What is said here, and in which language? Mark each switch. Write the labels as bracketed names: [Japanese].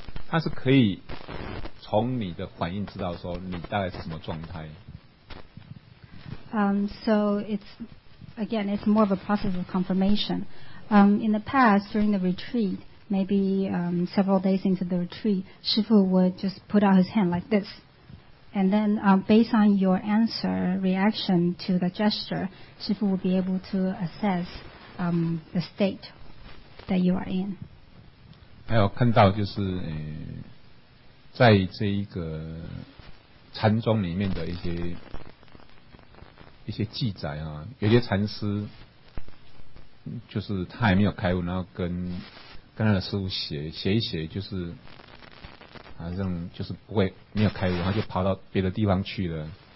[Chinese] 它是可以从你的反应知道说你大概是什么状态。 [English] So it's again, it's more of a process of confirmation. In the past during the retreat, maybe several days into the retreat, Shifu would just put out his hand like this. And then based on your answer, reaction to the gesture, Shifu would be able to assess the state that you are in. [Chinese] 还有看到就是在这一个禅宗里面的一些记载啊，有些禅师就是他还没有开悟，然后跟他的师父写一写，就是好像就是不会没有开悟，他就跑到别的地方去了。